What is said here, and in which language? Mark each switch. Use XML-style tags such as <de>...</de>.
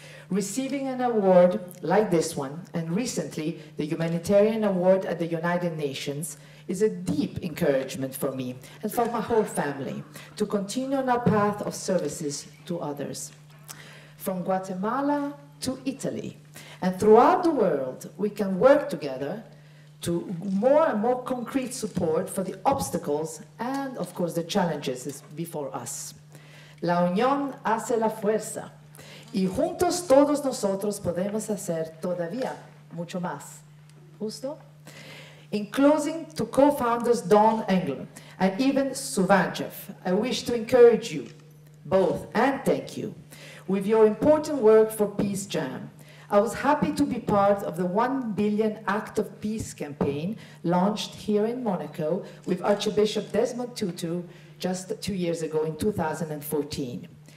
<en>Receiving an award like this one, and recently the Humanitarian Award at the United Nations, is a deep encouragement for me and for my whole family to continue on our path of services to others. From Guatemala to Italy, and throughout the world, we can work together to more and more concrete support for the obstacles and, of course, the challenges before us.</en> <es>La unión hace la fuerza. Y juntos todos nosotros podemos hacer todavía mucho más. Justo?</es> <en>In closing, to co-founders Don Engel and even Suvanchev, I wish to encourage you both and thank you with your important work for PeaceJam. I was happy to be part of the 1 billion Act of Peace campaign launched here in Monaco with Archbishop Desmond Tutu just 2 years ago in 2014.</en>